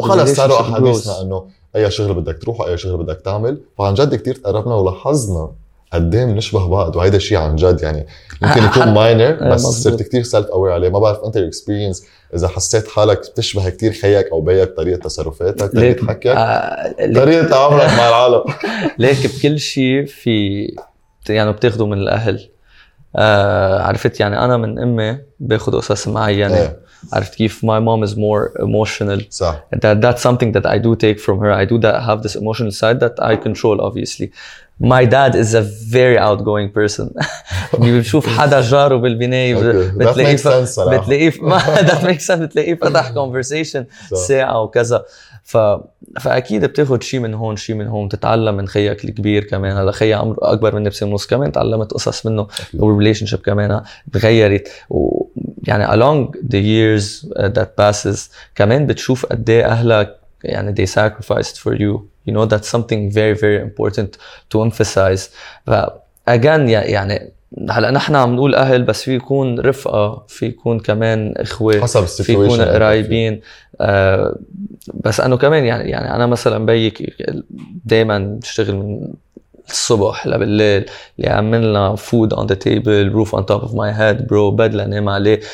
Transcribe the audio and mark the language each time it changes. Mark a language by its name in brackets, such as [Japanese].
[Arabic] خلص صاروا احاديثنا انه اي شغل بدك تروح اي شغل بدك تعمل فعن جد كثير تقربنا ولاحظنا قدام نشبه بعض وهذا الشيء عن جد يعني يمكن يكون ماينر بس صرت كتير سلف اوير عليه ما بعرف انت الاكسبيرينس اذا حسيت حالك بتشبه كتير خيك او بيك طريقه تصرفاتك طريقه حكيك طريقه تعاملك مع العالم ليك بكل شيء في يعني بتاخده من الاهل عرفت يعني انا من امي باخذ قصص معينه يعني [English] عرفت كيف. My mom is more emotional. That's something that I do take from her. I do that have this emotional side that I control, obviously. My dad is a very outgoing person. بيشوف حدا جاره بالبناية [Arabic] بتلاقيه بتلاقيه فتح conversation ساعة وكذا. فأكيد بتاخد شيء من هون شيء من هون, تتعلم من خيك الكبير كمان. هذا خي عمره أكبر مني بسنة ونص كمان, تعلمت قصص منه والريليشنشيب كمان تغيرت. [English] ويعني along the years that passes كمان بتشوف قد ايه أهلك يعني they sacrificed for you. You know, that's something very, very important to emphasize. [Arabic] Again, يعني هلا نحن عم نقول اهل, بس في يكون رفقه, في يكون كمان اخوه, حسب السيتويشن, في يكون قرايبين. بس انه كمان يعني انا مثلا بيك دائما بشتغل من الصبح لبالليل, يعمل لنا food on the table, roof on top of my head, bro, بدل انام عليه.